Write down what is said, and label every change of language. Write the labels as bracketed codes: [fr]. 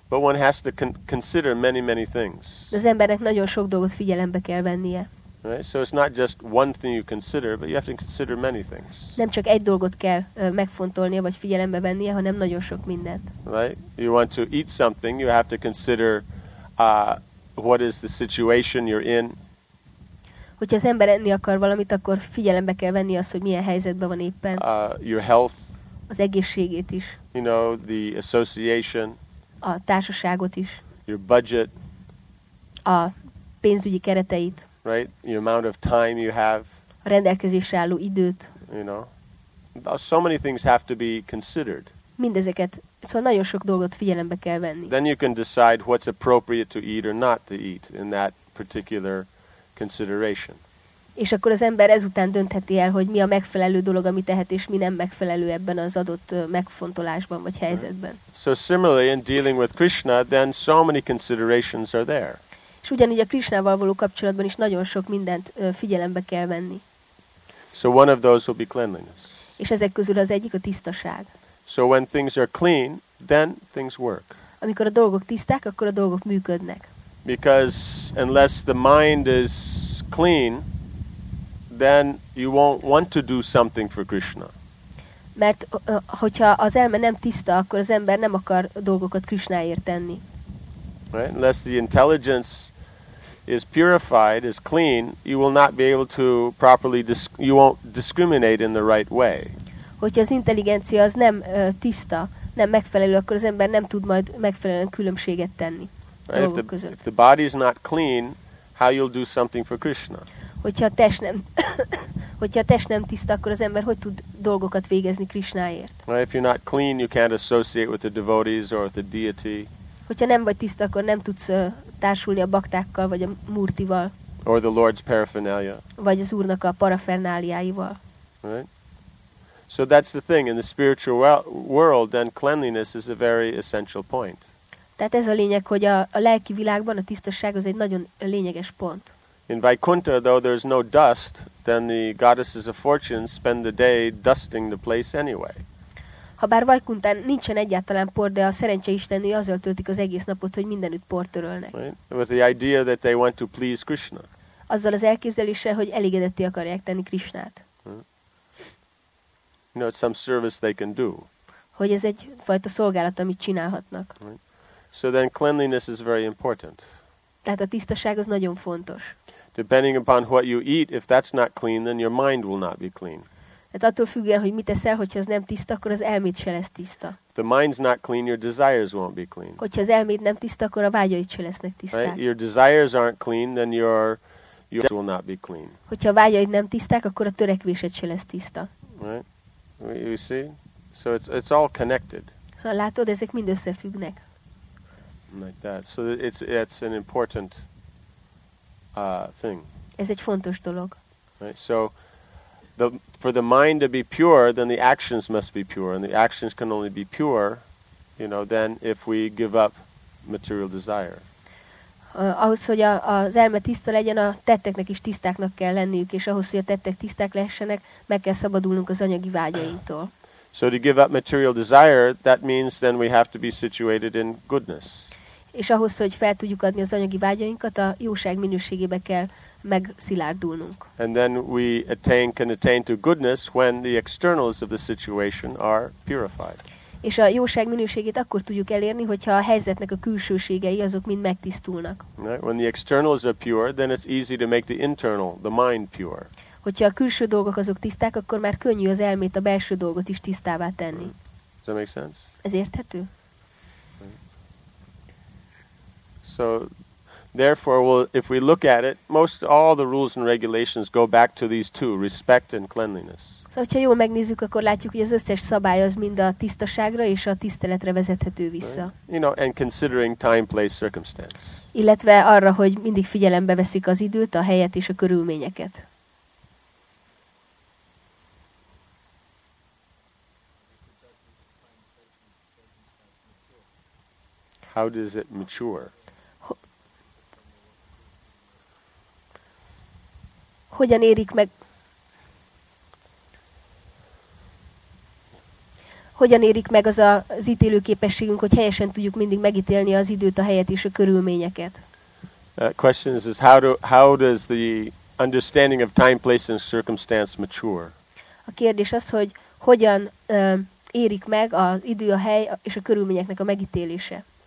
[en] But one has to consider many, many things. [hu] Az embernek nagyon sok dolgot figyelembe kell vennie. [en] Right? So it's not just one thing you consider, but you have to consider many things. [hu] Nem csak egy dolgot kell megfontolnia vagy figyelembe vennie, hanem nagyon sok mindent. [en] Right? You want to eat something, you have to consider what is the situation you're in. [hu] Hogyha az ember enni akar valamit, akkor figyelembe kell venni azt, hogy milyen helyzetben van éppen. [en] Your health. [hu] Az egészségét is. [en] You know, the association. [hu] A társaságot is. [en] Your budget. [hu] A pénzügyi kereteit. [en] Right, the amount of time you have. [hu] A rendelkezésre álló időt. [en] You know, so many things have to be considered. [hu] Mindezeket, szóval nagyon sok dolgot figyelembe kell venni. [en] Then you can decide what's appropriate to eat or not to eat in that particular consideration. [hu] És akkor az ember ezután döntheti el, hogy mi a megfelelő dolog, amit tehet, és mi nem megfelelő ebben az adott megfontolásban vagy helyzetben. [en] Right. So similarly, in dealing with Krishna, then so many considerations are there. [hu] És ugyanígy a Krishnával való kapcsolatban is nagyon sok mindent figyelembe kell venni. [en] So one of those will be cleanliness. [hu] És ezek közül az egyik a tisztaság. [en] So when things are clean, then things work. [hu] Amikor a dolgok tiszták, akkor a dolgok működnek. [en] Because unless the mind is clean, then you won't want to do something for Krishna. [hu] Mert hogyha az elme nem tiszta, akkor az ember nem akar dolgokat Krishnáért tenni. [en] Right? Unless the intelligence is purified, is clean, you will not be able to properly you won't discriminate in the right way. [hu] Hogyha az intelligencia az nem tiszta, nem megfelelő, akkor az ember nem tud majd megfelelően különbséget tenni. [en] Right? If the body is not clean, how you'll do something for Krishna? [hu] Hogyha a test nem tiszta, akkor az ember hogy tud dolgokat végezni Krishnáért? [en] Right? If you're not clean, you can't associate with the devotees or with the deity. [hu] Hogyha nem vagy tiszta, akkor nem tudsz társulni a baktákkal vagy a murtival. [en] Or the Lord's paraphernalia. [hu] Vagy az Úrnak a parafernáliáival. [en] Right. So that's the thing in the spiritual world, then cleanliness is a very essential point. [hu] Tehát ez a lényeg, hogy a lelki világban a tisztaság az egy nagyon lényeges pont. [en] In Vaikuntha, though there is no dust, then the goddesses of fortune spend the day dusting the place anyway. [hu] Habár Vaikuntán nincsen egyáltalán por, de a szerencse istennő azzal töltik az egész napot, hogy mindenütt port törölnek. [en] Right? With the idea that they want to please Krishna. [hu] Azzal az elképzeléssel, hogy elégedetté akarják tenni Krishnát. [en] You know, it's some service they can do. [hu] Hogy ez egy fajta szolgálat, amit csinálhatnak. [en] Right? So then cleanliness is very important. [hu] Tehát a tisztaság az nagyon fontos. [en] Depending upon what you eat, if that's not clean, then your mind will not be clean. [hu] Tehát attól függően, hogy mit eszel, hogyha az nem tiszta, akkor az elméd se lesz tiszta. [en] The mind's not clean, your desires won't be clean. [hu] Hogyha az elméd nem tiszta, akkor a vágyaid se lesznek tiszták. [en] Right? Your desires aren't clean, then your desires will not be clean. [hu] Hogyha a vágyaid nem tiszták, akkor a törekvésed se lesz tiszta. [en] Right? You see? So it's all connected. [hu] Szóval látod, ezek mind összefüggnek. [en] Like that. So it's an important thing. [hu] Ez egy fontos dolog. [en] Right? So for the mind to be pure, then the actions must be pure, and the actions can only be pure, you know, then if we give up material desire. [hu] Ahhoz, hogy az elme tiszta legyen, a tetteknek is tisztáknak kell lenniük, és ahhoz, hogy a tettek tiszták lehessenek, meg kell szabadulnunk az anyagi vágyainktól. [en] So to give up material desire, that means then we have to be situated in goodness. [hu] És ahhoz, hogy fel tudjuk adni az anyagi vágyainkat, a jóság minőségébe kell megszilárdulnunk. [en] And then we attain, can attain to goodness when the externals of the situation are purified. [hu] És a jóság minőségét akkor tudjuk elérni, hogyha a helyzetnek a külsőségei azok mind megtisztulnak. [en] When the externals are pure, then it's easy to make the internal, the mind pure. [hu] Hogyha a külső dolgok azok tiszták, akkor már könnyű az elmét, a belső dolgot is tisztává tenni. [en] Does that make sense? [hu] Ez érthető? [en] So, therefore, well, if we look at it, most all the rules and regulations go back to these two, respect and cleanliness. [hu] Szóval, ha jól megnézzük, akkor látjuk, hogy az összes szabály az mind a tisztaságra és a tiszteletre vezethető vissza. [en] You know, and considering time, place, circumstance. [hu] Illetve arra, hogy mindig figyelembe veszik az időt, a helyet és a körülményeket. [en] How does it mature? [hu] Hogyan érik meg? Hogyan érik meg az az ítélő képességünk, hogy helyesen tudjuk mindig megítélni az időt, a helyet és a körülményeket? [en] Question is how does the understanding of time, place and circumstance mature? [hu] A kérdés az, hogy hogyan érik meg az idő, a hely és a körülményeknek a megítélése?